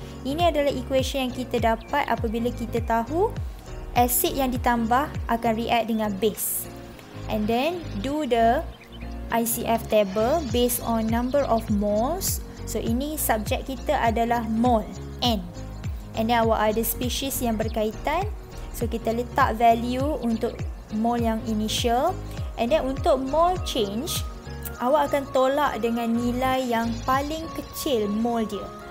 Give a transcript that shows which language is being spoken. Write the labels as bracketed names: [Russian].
[Malay] Ini adalah equation yang kita dapat apabila kita tahu acid yang ditambah akan react dengan base. [English] And then do the ICF table based on number of moles. [Malay] So ini subjek kita adalah mole, N. [English] And then [Malay] awak ada species yang berkaitan. So kita letak value untuk mole yang initial. [English] And then [Malay] untuk mole change, awak akan tolak dengan nilai yang paling kecil mole dia.